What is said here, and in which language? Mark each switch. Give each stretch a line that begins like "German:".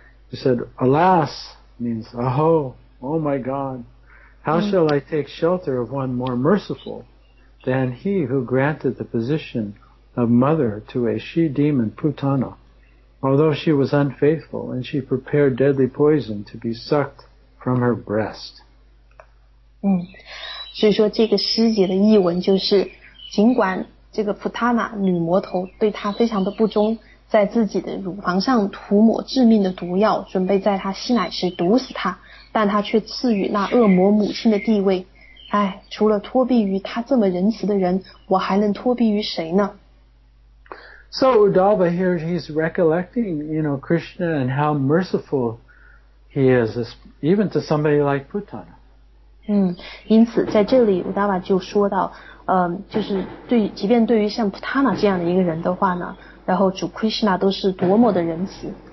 English: He said, alas, means aho, oh my God, how shall I take shelter of one more merciful than he who granted the position of mother to a she-demon Putana, although she was unfaithful and she prepared deadly poison to be sucked from her breast.
Chinese: 所以说这个诗节的译文就是，尽管这个 Putana 女魔头对她非常的不忠，在自己的乳房上涂抹致命的毒药，准备在她吸奶时毒死她，但她却赐予那恶魔母亲的地位。哎，除了托庇于她这么仁慈的人，我还能托庇于谁呢？
English: So Uddhava here, he's recollecting, you know, Krishna and how merciful he is, even to somebody like Putana.
Chinese: 因此在这里 Uddhava 就说到，就是对，即便对于像 Putana 这样的一个人的话呢，然后主 Krishna 都是多么的仁慈。